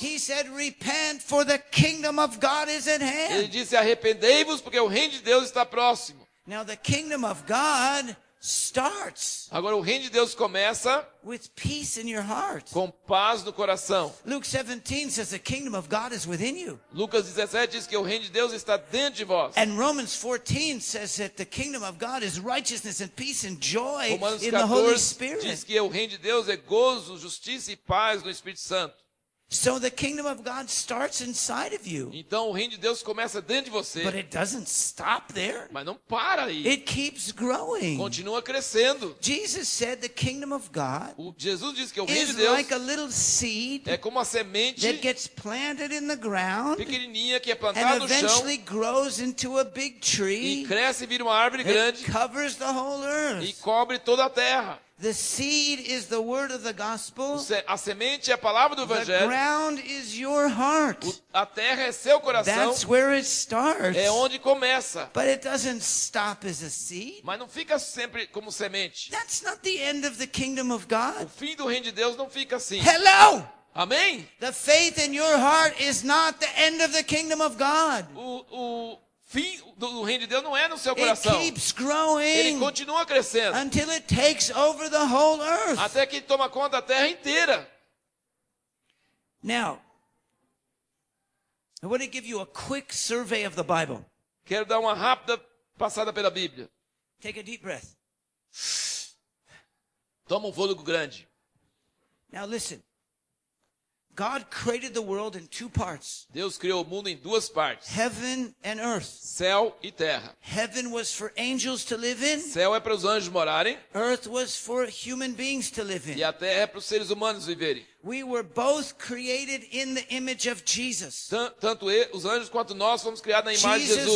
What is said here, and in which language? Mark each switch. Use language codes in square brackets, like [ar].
[en] He said, "Repent, for the kingdom of God is at hand." [pt] Ele disse, arrependei-vos porque o reino de Deus está próximo. [en] Now the kingdom of God starts. [pt] Agora o reino de Deus começa [en] with peace in your heart. [pt] Com paz no coração. [en] Luke 17 says the kingdom of God is within you. [pt] Lucas 17 diz que o reino de Deus está dentro de vós. [en] And Romans 14 says that the kingdom of God is righteousness and peace and joy in the Holy Spirit. [pt] Diz que o reino de Deus é gozo, justiça e paz no Espírito Santo. [en] So the kingdom of God starts inside of you. [pt] Então o reino de Deus começa dentro de você. [en] But it doesn't stop there. [pt] Mas não para aí. [en] It keeps growing. [pt] Continua crescendo. [en] Jesus said the kingdom of God. [pt] Jesus disse que o reino [en] is [pt] de Deus [en] like a little seed. [pt] É como a semente. [en] That gets planted in the ground. [pt] Pequenininha que é plantada no [en] chão. And eventually grows into a big tree. [pt] E cresce e vira uma árvore grande. [en] It covers the whole earth. [pt] E cobre toda a terra. [en] The seed is the word of the gospel. [pt] A semente é a palavra do evangelho. [en] The ground is your heart. [pt] A terra é seu coração. [en] That's where it starts. [pt] É onde começa. [en] But it doesn't stop as a seed. [pt] Mas não fica sempre como semente. [en] That's not the end of the kingdom of God. [pt] O fim do reino de Deus não fica assim. [en] Hello. [pt] Amém? [en] The faith in your heart is not the end of the kingdom of God. [pt] O fim do reino de Deus não é no seu coração. [en] It keeps growing. [pt] Ele continua crescendo. [en] Until it takes over the whole earth. [pt] Até que toma conta da terra inteira. [en] Now, I want to give you a quick survey of the Bible. [pt] Quero dar uma rápida passada pela Bíblia. [en] Take a deep breath. [pt] Toma um fôlego grande. [en] Now listen. God created the world in two parts. [pt] Deus criou o mundo em duas partes. [en] Heaven and earth. [pt] Céu e terra. [en] Heaven was for angels to live in. [pt] Céu é para os anjos morarem. [en] Earth was for human beings to live in. [pt] E a terra é para os seres humanos viverem. [en] We were both created in the image of Jesus. [pt] Tanto os anjos quanto nós fomos criados na imagem de Jesus.